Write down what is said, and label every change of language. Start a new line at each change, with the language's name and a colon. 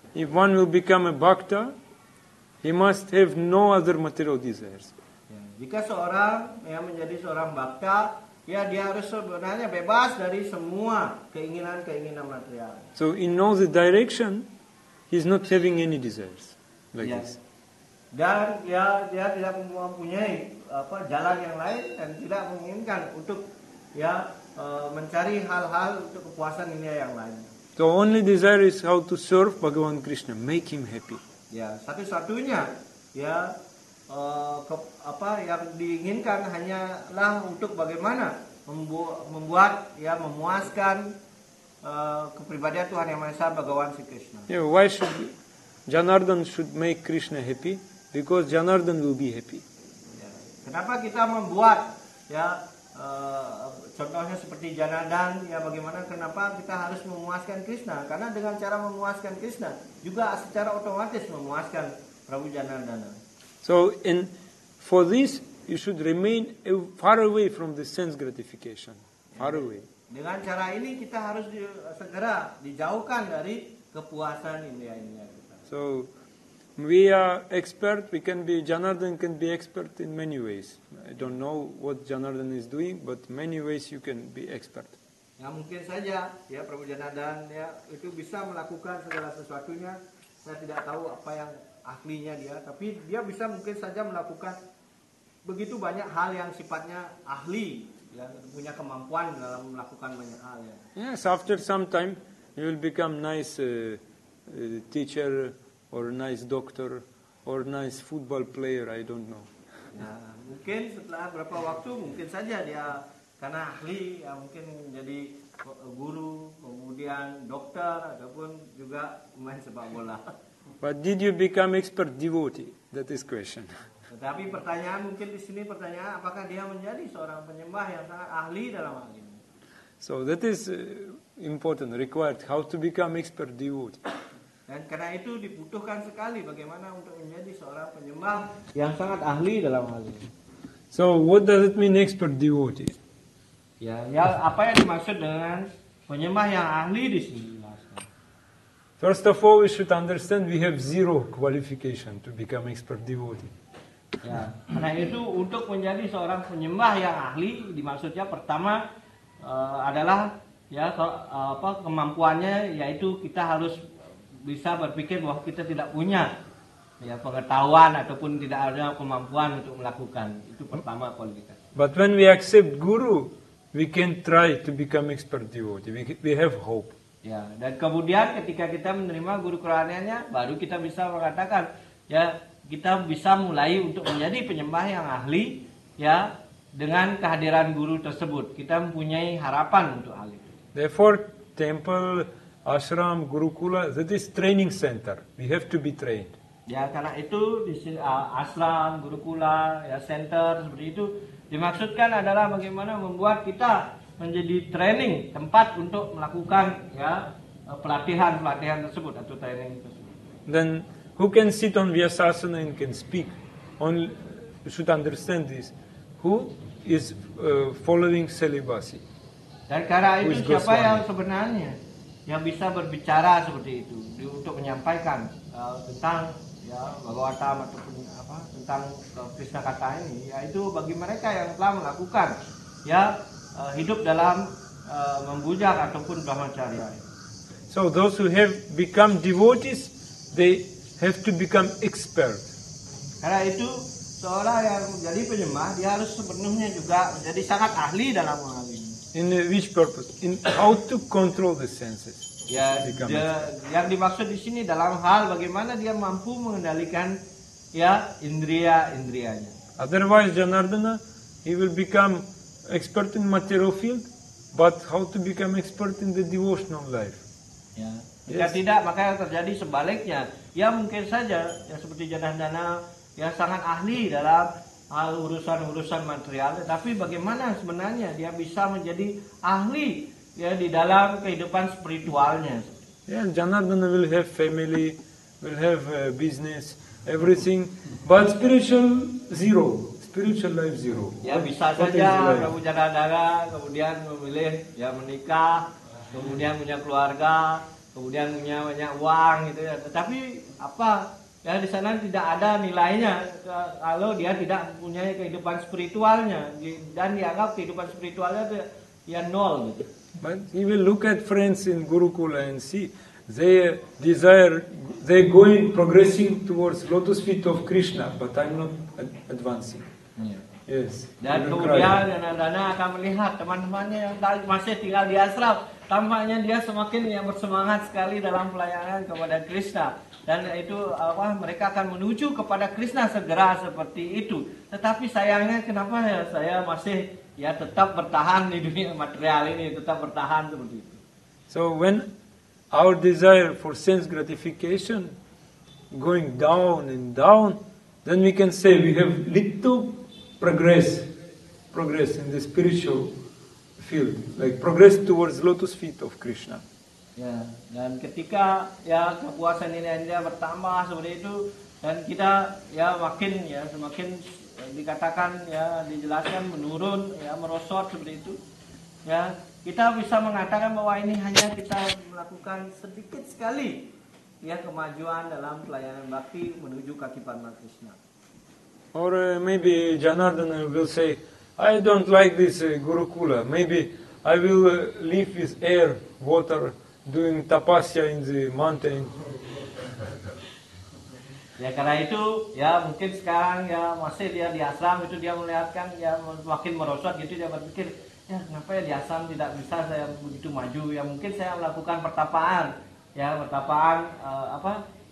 English: If one will become a bhakta, he must have no other material desires.
Indonesian: Ya, jika seorang yang menjadi seorang bhakta, ya dia harus sebenarnya bebas dari semua keinginan-keinginan material.
English: So in all the direction, he's not having any desires like this.
Indonesian: Dan ya dia tidak mempunyai apa jalan yang lain dan tidak menginginkan untuk ya mencari hal-hal untuk kepuasan ini yang lain.
English: The only desire is how to serve Bhagavan Krishna, make him happy.
Indonesian: Ya, satu-satunya ya apa yang diinginkan hanyalah untuk bagaimana membuat ya memuaskan kepribadian Tuhan Yang Maha Esa Bhagavan Sri Krishna.
English: Yeah, why should Janardan should make Krishna happy? Because Janardan will be happy.
Indonesian: Ya. Kenapa kita membuat ya contohnya seperti Janardan ya bagaimana kenapa kita harus memuaskan Krishna? Karena dengan cara memuaskan Krishna juga secara otomatis memuaskan Prabhu Janardana.
English: So and for this you should remain far away from the sense gratification. Far away.
Indonesian: Dengan cara ini kita harus segera dijauhkan dari kepuasan indera-indera kita.
English: So we are expert, we can be, Janardan can be expert in many ways. I don't know what Janardan is doing, but many ways you can be expert.
Indonesian: Ya mungkin saja, ya Prabhu Janardan ya, itu bisa melakukan segala sesuatunya. Saya tidak tahu apa yang ahlinya dia, tapi dia bisa mungkin saja melakukan begitu banyak hal yang sifatnya ahli, ya, punya kemampuan dalam melakukan banyak hal. Ya.
English: Yes, after some time, you will become nice teacher, or a nice doctor, or a nice football player, I don't know.
Indonesian: Ya, mungkin setelah berapa waktu, mungkin saja dia karena ahli, ya mungkin jadi guru, kemudian dokter, ataupun juga main sepak bola.
English: But did you become expert devotee? That is question.
Indonesian: Tetapi pertanyaan mungkin di sini pertanyaan, apakah dia menjadi seorang penyembah yang sangat ahli dalam hal ini?
English: So that is important, required, how to become expert devotee.
Indonesian: Dan karena itu dibutuhkan sekali bagaimana untuk menjadi seorang penyembah yang sangat ahli dalam hal ini.
English: So what does it mean expert devotee?
Indonesian: Ya, ya apa yang dimaksud dengan penyembah yang ahli di sini?
English: First of all, we should understand we have zero qualification to become expert devotee.
Indonesian: Ya, karena itu untuk menjadi seorang penyembah yang ahli dimaksudnya pertama adalah ya apa kemampuannya yaitu kita harus bisa berpikir bahwa kita tidak punya ya pengetahuan ataupun tidak ada kemampuan untuk melakukan itu pertama kualifikasi.
English: But when we accept guru, we can try to become expert devotee. We have hope.
Indonesian: Ya, dan kemudian ketika kita menerima guru kerajaannya, baru kita bisa mengatakan ya kita bisa mulai untuk menjadi penyembah yang ahli ya dengan kehadiran guru tersebut. Kita mempunyai harapan untuk hal itu.
English: Therefore, temple, ashram, gurukula, that is training center. We have to be trained.
Indonesian: Ya, karena itu di ashram, gurukula, ya center seperti itu dimaksudkan adalah bagaimana membuat kita menjadi training tempat untuk melakukan ya pelatihan-pelatihan tersebut atau training tersebut.
English: Then who can sit on Vyasasana and can speak? Only you should understand this. Who is following celibacy?
Indonesian: Dan karena itu siapa Goswami? Yang sebenarnya yang bisa berbicara seperti itu di, untuk menyampaikan tentang ya bhagavata ataupun apa tentang Krishna kata ini, yaitu bagi mereka yang telah melakukan ya hidup dalam membujak ataupun brahmacarya.
English: So those who have become devotees, they have to become expert.
Indonesian: Karena itu seolah yang jadi penyembah dia harus sepenuhnya juga menjadi sangat ahli dalam hal ini.
English: In which purpose? In how to control the senses?
Indonesian: Ya, yang dimaksud di sini dalam hal bagaimana dia mampu mengendalikan ya indria-indrianya.
English: Otherwise, Janardana, he will become expert in material field, but how to become expert in the devotional life?
Indonesian: Ya, jika
English: yes.
Indonesian: Tidak, maka terjadi sebaliknya. Ya, mungkin saja ya seperti Janardana ya sangat ahli dalam hal urusan-urusan material, tapi bagaimana sebenarnya dia bisa menjadi ahli ya di dalam kehidupan spiritualnya?
English: Yes, Janardana will have family, will have business, everything, but spiritual zero, spiritual life zero.
Indonesian: Ya bisa what saja Prabhu Janardana kemudian memilih ya menikah, kemudian punya keluarga, kemudian punya banyak uang gitu ya. Tetapi apa? Ya di sana tidak ada nilainya kalau dia tidak punya kehidupan spiritualnya dan dianggap kehidupan spiritualnya dia nol.
English: But he will look at friends in Gurukula and see they desire, they going progressing towards lotus feet of Krishna, but I'm not advancing. Yeah. Yes.
Indonesian: Dan kemudian Janardana akan melihat teman-temannya yang masih tinggal di asrama. Tampaknya dia semakin yang bersemangat sekali dalam pelayanan kepada Krishna dan itu apa mereka akan menuju kepada Krishna segera seperti itu. Tetapi sayangnya kenapa ya saya masih ya tetap bertahan di dunia material ini, tetap bertahan seperti itu.
English: So when our desire for sense gratification going down and down, then we can say we have little progress in the spiritual field, like progress towards lotus feet of Krishna.
Indonesian: Ya, dan ketika ya kepuasan ini hanya bertambah seperti itu dan kita ya makin ya semakin dikatakan ya dijelaskan menurun ya merosot seperti itu. Ya, kita bisa mengatakan bahwa ini hanya kita melakukan sedikit sekali ya kemajuan dalam pelayanan bhakti menuju kaki Padma Krishna.
English: Or maybe Janardana will say I don't like this Gurukula. Maybe I will live with air, water, doing tapasya in the mountain.
Indonesian: Ya, karena itu, ya mungkin sekarang ya masih dia di asram itu dia melihatkan ya makin merosot gitu dia berpikir, ya kenapa ya di asram tidak bisa saya begitu maju? Ya mungkin saya melakukan pertapaan, ya pertapaan apa?